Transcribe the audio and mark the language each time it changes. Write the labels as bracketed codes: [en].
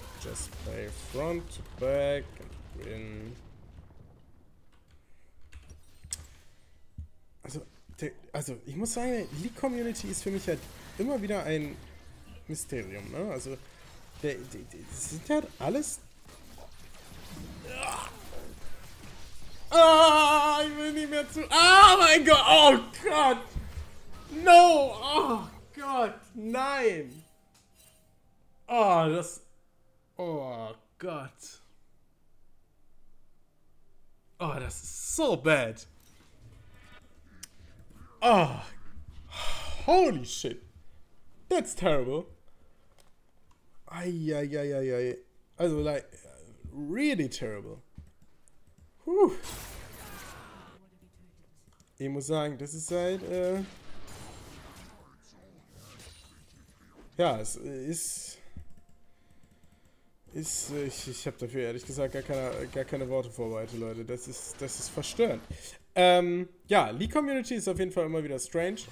[en] Just play front to back and win. [de] Also ich muss sagen, League Community ist für mich halt immer wieder ein Mysterium, ne? Also, das sind halt alles. Ah, ich will nicht mehr zu. Oh mein Gott! Oh Gott! No! Oh Gott! Nein! Oh, das. Oh Gott! Oh, das ist so [en] bad! Oh! Holy shit! That's terrible! Eieieiei! Also, like, really terrible! Whew! [de] Ich muss sagen, das ist halt, ja, es ist, Ich habe dafür ehrlich gesagt gar keine Worte vorbereitet, Leute. Das ist verstörend. Ja, Leak Community ist auf jeden Fall immer wieder strange.